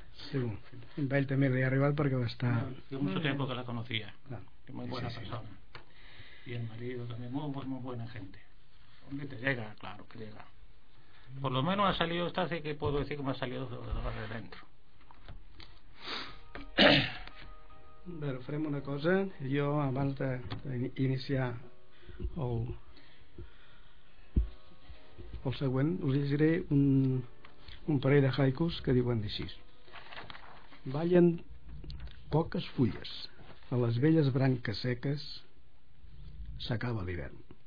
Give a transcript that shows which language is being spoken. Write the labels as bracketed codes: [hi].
[ca] Sí, a ell també li ha arribat perquè va estar... [es] Yo mucho tiempo que la conocía. Claro. Muy buena persona. Y el marido también, muy, muy, muy buena gente. Hombre, te llega, claro que llega. Por lo menos ha salido esta, así que puedo decir que me ha salido de dentro. [ca] Bueno, farem una cosa. Jo, abans d'iniciar el següent, us llegiré un parell de haikus que diuen així. Ballen poques fulles a les velles branques seques, s'acaba l'hivern.